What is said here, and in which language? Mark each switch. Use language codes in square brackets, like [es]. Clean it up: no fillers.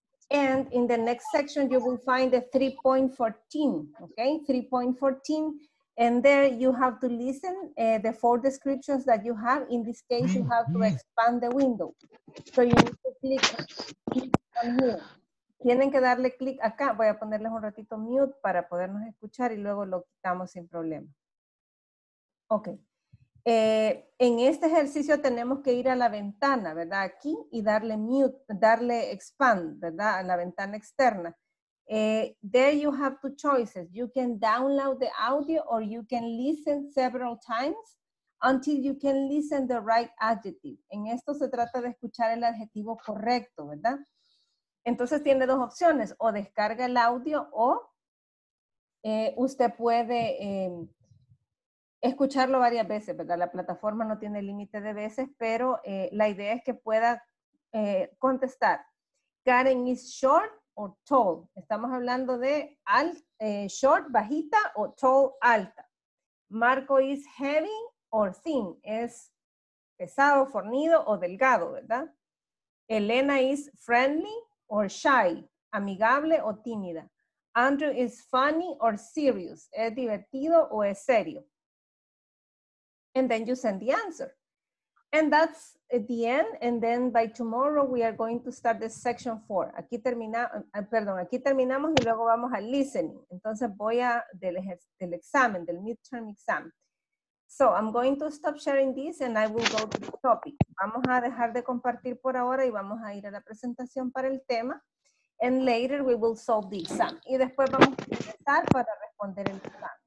[en] And in the next section, you will find the 3.14, okay? 3.14, and there you have to listen the four descriptions that you have. In this case, you have to expand the window. So you need to click on here. [es] Tienen que darle click acá. Voy a ponerles un ratito mute para podernos escuchar y luego lo quitamos sin problema. Okay. En este ejercicio tenemos que ir a la ventana, ¿verdad? Aquí y darle mute, darle expand, ¿verdad? A la ventana externa. [en] There you have two choices. You can download the audio or you can listen several times until you can listen the right adjective. [es] En esto se trata de escuchar el adjetivo correcto, ¿verdad? Entonces tiene dos opciones. O descarga el audio o usted puede... escucharlo varias veces, ¿verdad? La plataforma no tiene límite de veces, pero la idea es que pueda contestar. [en] Karen is short or tall. [es] Estamos hablando de short, bajita, o tall, alta. [en] Marco is heavy or thin. [es] Es pesado, fornido o delgado, ¿verdad? [en] Elena is friendly or shy. [es] Amigable o tímida. [en] Andrew is funny or serious. [es] Es divertido o es serio. [en] And then you send the answer. And that's the end. And then by tomorrow, we are going to start the section four. [es] Aquí terminamos, perdón, aquí terminamos y luego vamos al listening. Entonces voy a del examen, del midterm exam. [en] So I'm going to stop sharing this and I will go to the topic. [es] Vamos a dejar de compartir por ahora y vamos a ir a la presentación para el tema. [en] And later we will solve the exam. [es] Y después vamos a empezar para responder el exam.